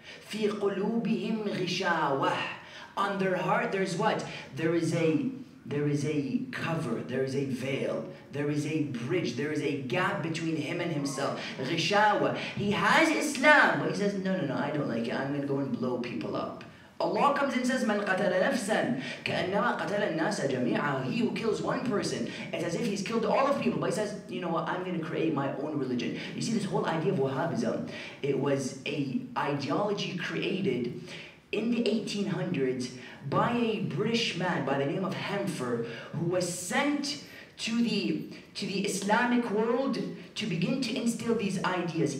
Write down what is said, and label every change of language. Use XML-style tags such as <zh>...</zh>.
<ar>Fi qulubihim ghishawa.</ar> <en>On their heart, there's what? There is a cover, there is a veil, there is a bridge, there is a gap between him and himself. Ghishawa. He has Islam, but he says, no, I don't like it. I'm going to go and blow people up. Allah comes and says,</en> <ar>مَنْ قَتَلَ نَفْسًا كَأَنَّمَا قَتَلَ النَّاسَ جَمِيعًا.</ar> <en>He who kills one person, it's as if he's killed all of people, but he says, you know what, I'm going to create my own religion. You see, this whole idea of Wahhabism, it was a ideology created in the 1800s by a British man by the name of Hemphill, who was sent to the Islamic world to begin to instill these ideas.</en>